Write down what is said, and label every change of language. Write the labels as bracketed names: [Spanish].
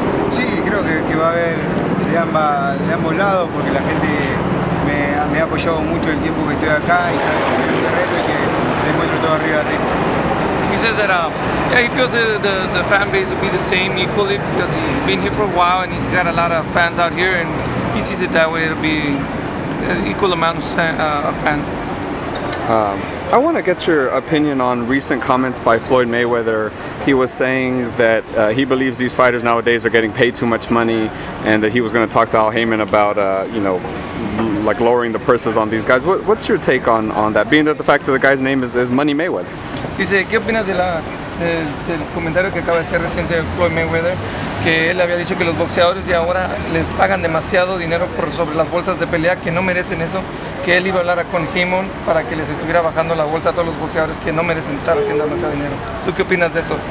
[Spanish] Sí, creo que va a haber de ambos lados, porque la gente me ha apoyado mucho el tiempo que estoy acá y sabe que soy un guerrero y que le encuentro todo arriba arriba. [English] He says that he feels the fan base will be the same equally because he's been here for a while and he's got a lot of fans out here, and he sees it that way. It'll be an equal amount of fans. I want to get your opinion on recent comments by Floyd Mayweather. He was saying that he believes these fighters nowadays are getting paid too much money, and that he was going to talk to Al Heyman about like lowering the purses on these guys. What's your take on that? Being that the fact that the guy's name is Money Mayweather. [Spanish] Dice, ¿qué opinas de del comentario que acaba de hacer reciente Floyd Mayweather? Que él había dicho que los boxeadores de ahora les pagan demasiado dinero por sobre las bolsas de pelea, que no merecen eso. Que él iba a hablar con Heyman para que les estuviera bajando la bolsa a todos los boxeadores que no merecen estar haciendo demasiado dinero. ¿Tú qué opinas de eso?